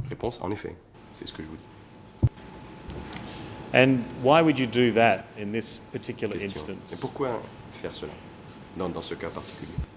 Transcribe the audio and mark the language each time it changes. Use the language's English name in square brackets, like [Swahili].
[French] Réponse, en effet, c'est ce que je vous dis. [English] And why would you do that in this particular [French] question. [English] Instance? [French] Et pourquoi faire cela dans ce cas particulier?